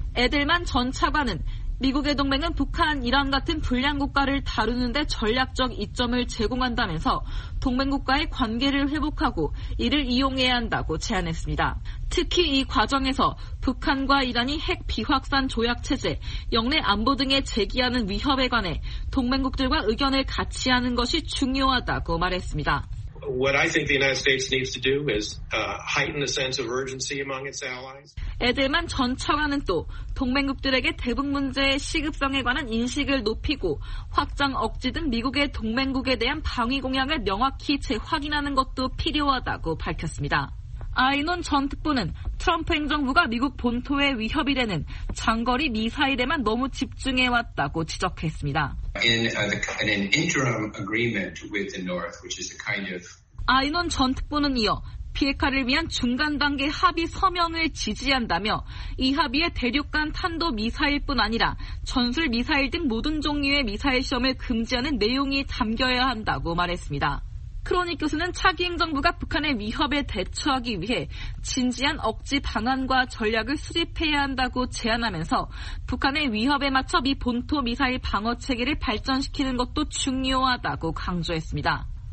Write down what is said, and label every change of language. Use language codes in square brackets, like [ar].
[ko] 에델만 전 차관은 미국의 동맹은 북한, 이란 같은 불량국가를 다루는 데 전략적 이점을 제공한다면서 동맹국과의 관계를 회복하고 이를 이용해야 한다고 제안했습니다. 특히 이 과정에서 북한과 이란이 핵 비확산 조약 체제, 영내 안보 등에 제기하는 위협에 관해 동맹국들과 의견을 같이 하는 것이 중요하다고 말했습니다. [en] What I think the United States needs to do is heighten the sense of urgency among its allies. [ko] 에델만 전 차관은 또 동맹국들에게 대북 문제의 시급성에 관한 인식을 높이고 확장 억지 등 미국의 동맹국에 대한 방위 공약을 명확히 재확인하는 것도 필요하다고 밝혔습니다. 아이논 전 특보는 트럼프 행정부가 미국 본토에 위협이 되는 장거리 미사일에만 너무 집중해왔다고 지적했습니다. [en] In an interim agreement with the North, which is a kind of [ko] 아이논 전 특보는 이어 비핵화를 위한 중간 단계 합의 서명을 지지한다며 이 합의에 대륙 간 탄도 미사일뿐 아니라 전술 미사일 등 모든 종류의 미사일 시험을 금지하는 내용이 담겨야 한다고 말했습니다. 크로닉 교수는 차기 행정부가 북한의 위협에 대처하기 위해 진지한 억지 방안과 전략을 수립해야 한다고 제안하면서 북한의 위협에 맞춰 미 본토 미사일 방어 체계를 발전시키는 것도 중요하다고 강조했습니다.